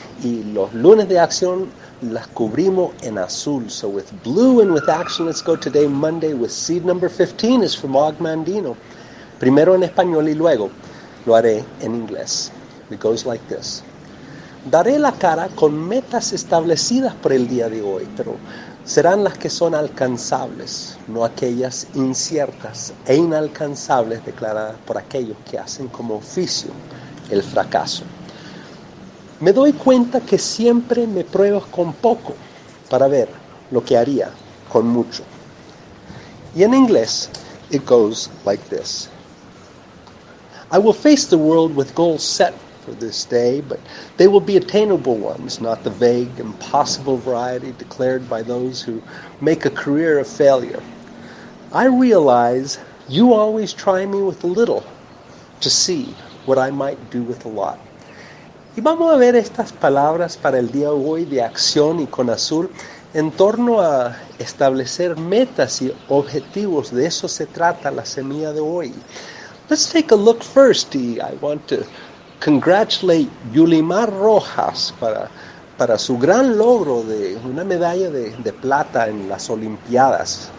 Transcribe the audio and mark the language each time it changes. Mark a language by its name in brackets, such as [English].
[Spanish] Y los lunes de acción las cubrimos en azul. [English] So with blue and with action, let's go today, Monday, with seed number 15 is from Og Mandino. [Spanish] Primero en español y luego lo haré en inglés. [English] It goes like this. [Spanish] Daré la cara con metas establecidas por el día de hoy, pero serán las que son alcanzables, no aquellas inciertas e inalcanzables declaradas por aquellos que hacen como oficio el fracaso. Me doy cuenta que siempre me pruebas con poco para ver lo que haría con mucho. Y en inglés, [English] it goes like this. I will face the world with goals set for this day, but they will be attainable ones, not the vague, impossible variety declared by those who make a career of failure. I realize you always try me with a little to see what I might do with a lot. [Spanish] Y vamos a ver estas palabras para el día hoy de acción y con azul en torno a establecer metas y objetivos. De eso se trata la semilla de hoy. [English] Let's take a look first, y I want to congratulate Yulimar Rojas [Spanish] para su gran logro de una medalla de plata en las Olimpiadas.